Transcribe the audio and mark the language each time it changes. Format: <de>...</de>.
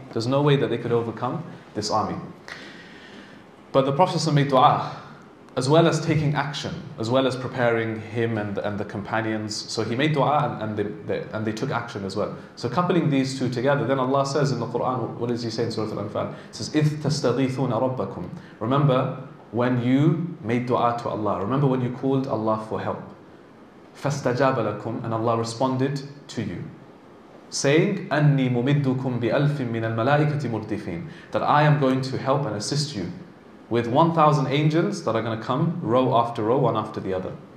<en>There's no way that they could overcome this army. But the Prophet made dua, as well as taking action, as well as preparing him and the companions. So he made dua and they took action as well. So coupling these two together, then Allah says in the Quran, what does he say in Surah Al-Anfal?</en> <ar>It says, إِذْ تَسْتَغِيثُونَ رَبَّكُمْ.</ar> <en>Remember when you made dua to Allah. Remember when you called Allah for help.</en> <ar>فَاسْتَجَابَ لَكُمْ.</ar> <en>And Allah responded to you, saying,</en> <ar>أَنِّي مُمِدُّكُمْ بِأَلْفٍ مِّنَ الْمَلَائِكَةِ مُرْدِفِينَ.</ar> <en>That I am going to help and assist you with 1,000 angels that are going to come row after row, one after the other.</en>